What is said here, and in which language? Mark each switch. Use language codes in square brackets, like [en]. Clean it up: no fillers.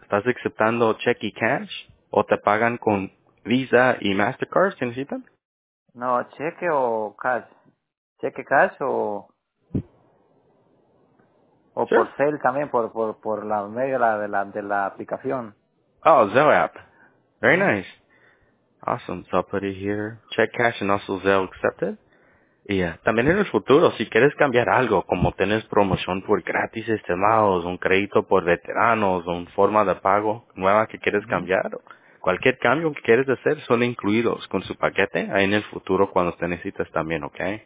[es] ¿Estás aceptando check y cash? ¿O te pagan con Visa y MasterCard si necesitan? No, cheque o cash. Cheque, cash o [en] sure. [es] Por Zelle también, por la media de la aplicación. [en] Oh, Zelle app. Very nice. Awesome. So I'll put it here. Check, cash, and also Zelle accepted. Y yeah. [es] También en el futuro, si quieres cambiar algo, como tienes promoción por gratis estimados, un crédito por veteranos, o una forma de pago nueva que quieres cambiar, cualquier cambio que quieres hacer son incluidos con su paquete ahí en el futuro cuando te necesitas también, ¿ok?